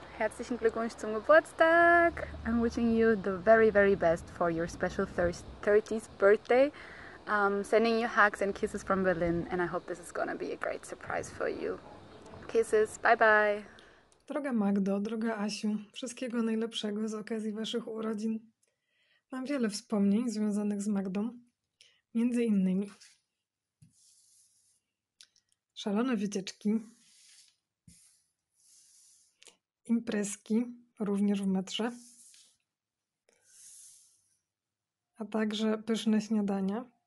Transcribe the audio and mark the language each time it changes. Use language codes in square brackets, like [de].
[de] Herzlichen Glückwunsch zum Geburtstag! [en] I'm wishing you the very, very best for your special 30th birthday. Sending you hugs and kisses from Berlin, and I hope this is gonna be a great surprise for you. Kisses, bye bye! [pl] Droga Magdo, droga Asiu, wszystkiego najlepszego z okazji waszych urodzin. Mam wiele wspomnień związanych z Magdą, między innymi szalone wycieczki, imprezki, również w metrze, a także pyszne śniadania.